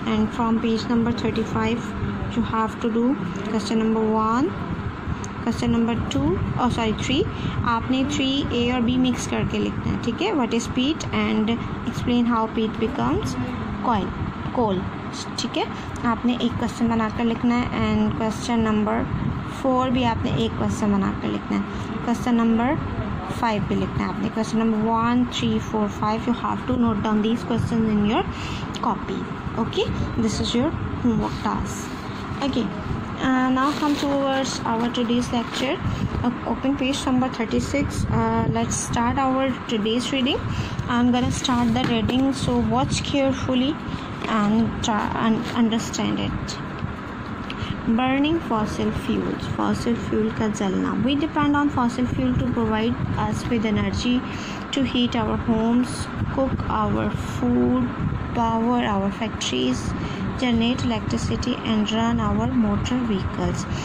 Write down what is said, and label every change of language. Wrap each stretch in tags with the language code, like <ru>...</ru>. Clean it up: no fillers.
<en>And from page number 35 you have to do question number 1, question number 2, oh sorry 3.</en> <hi>आपने 3 A और B mix करके लिखना है. ठीक है,</hi> <en>what is peat and explain how peat becomes coal.</en> <hi>ठीक है, आपने एक क्वेश्चन बनाकर लिखना है. एंड क्वेश्चन नंबर 4 भी आपने एक क्वेश्चन बनाकर लिखना है. क्वेश्चन नंबर 5 भी लिखना है आपने.</hi> <en>Question number 1, 3, 4, 5 you have to note down these question in your copy. Okay, this is your homework task. Okay, now come towards our today's lecture. Open page number 36. Let's start our today's reading. I am gonna start the reading, so watch carefully and try and understand it. burning fossil fuels.</en> <hi>Fossil fuel ka jalna.</hi> <en>We depend on fossil fuel to provide us with energy, to heat our homes, cook our food, power our factories, generate electricity and run our motor vehicles.</en>